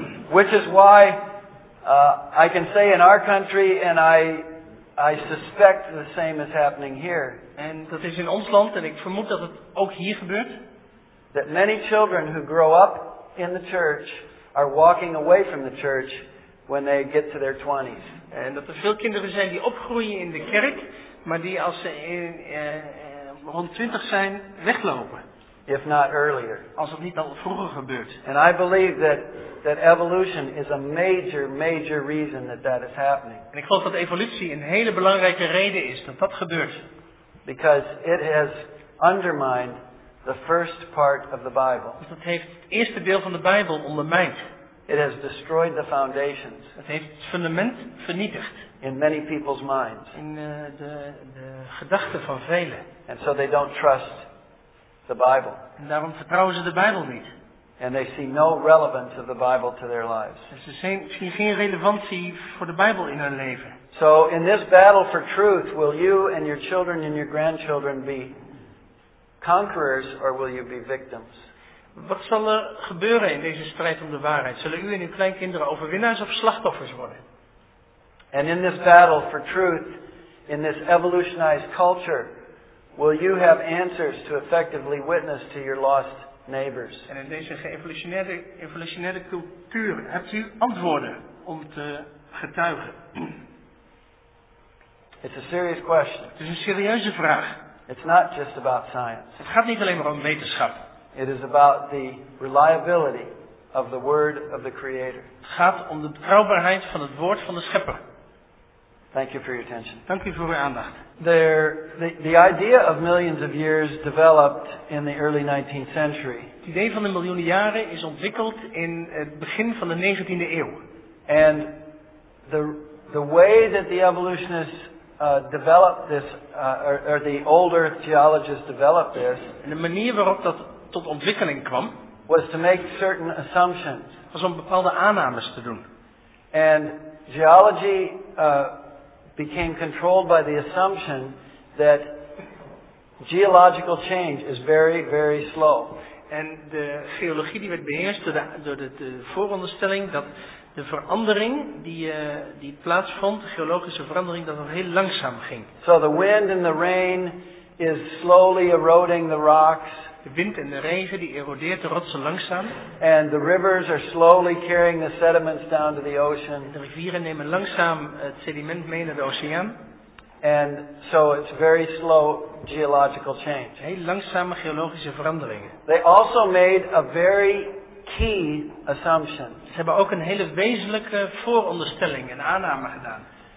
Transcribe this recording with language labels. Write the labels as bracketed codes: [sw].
[en] Which is why I can say in our country, and I suspect the same is happening here. [nl] En dat is in ons land, en ik vermoed dat het ook hier gebeurt. [en] That many children who grow up in the church are walking away from the church when they get to their 20s. [nl] En dat er veel kinderen zijn die opgroeien in de kerk, maar die als ze rond 20 zijn weglopen. [en] If not earlier. [nl] Als het niet al vroeger gebeurt. [en] And I believe that evolution is a major reason that is happening. [nl] En ik geloof dat evolutie een hele belangrijke reden is dat dat gebeurt. [en] Because it has undermined the first part of the Bible. [nl] Want het heeft het eerste deel van de Bijbel ondermijnd. [en] It has destroyed the foundations. [nl] Het heeft het fundament vernietigd. [en] In many people's minds. [nl] In de gedachten van velen. [en] And so they don't trust the Bible. [nl] En daarom vertrouwen ze de Bijbel niet. [en] And they see no relevance of the Bible to their lives. [nl] Ze zien geen relevantie voor de Bijbel in hun leven. [en] So in this battle for truth, will you and your children and your grandchildren be conquerors or will you be victims? [nl] Wat zal er gebeuren in deze strijd om de waarheid? Zullen u en uw kleinkinderen overwinnaars of slachtoffers worden? [en] And in this battle for truth, in this evolutionized culture, will you have answers to effectively witness to your lost neighbors? [nl] En in deze geëvolutioneerde cultuur, hebt u antwoorden om te getuigen? [en] It's a serious question. [nl] Het is een serieuze vraag. [en] It's not just about science. [nl] Het gaat niet alleen maar om wetenschap. [en] It is about the reliability of the word of the Creator. [nl] Het gaat om de betrouwbaarheid van het woord van de Schepper. [en] Thank you for your attention. [nl] Dank u voor uw aandacht. [en] The idea of millions of years developed in the early 19th century. [nl] Het idee van de miljoenen jaren is ontwikkeld in het begin van de 19e eeuw. [en] And the way that the evolutionists developed this, or the old earth geologists developed this. [nl] En de manier waarop dat tot ontwikkeling kwam, [en] was to make certain assumptions. [nl] Was om bepaalde aannames te doen. [en] And geology became controlled by the assumption that geological change is very, very slow. [nl] En de geologie die werd beheerst door de vooronderstelling dat de verandering die plaatsvond, de geologische verandering, dat het heel langzaam ging. [en] So the wind and the rain is slowly eroding the rocks. [nl] De wind en de regen die erodeert de rotsen langzaam. [en] And the rivers are slowly carrying the sediments down to the ocean. [nl] De rivieren nemen langzaam het sediment mee naar de oceaan. [en] And so it's very slow geological change. [nl] Heel langzame geologische veranderingen. [en] They also made a very key assumption. [nl] Ze hebben ook een hele wezenlijke vooronderstelling en aanname gedaan.